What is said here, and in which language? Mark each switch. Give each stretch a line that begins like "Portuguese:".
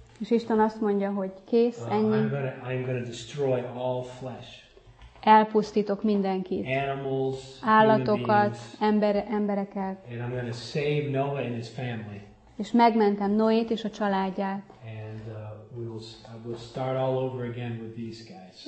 Hungarian: És Isten azt mondja, hogy kész, ennyi.
English: I'm gonna destroy all flesh.
Hungarian: Elpusztítok mindenkit.
English: Animals,
Hungarian: állatokat, embereket.
English: And I'm gonna save Noah and his family.
Hungarian: És megmentem Noét és a családját.
English: And we'll start all over again with these guys.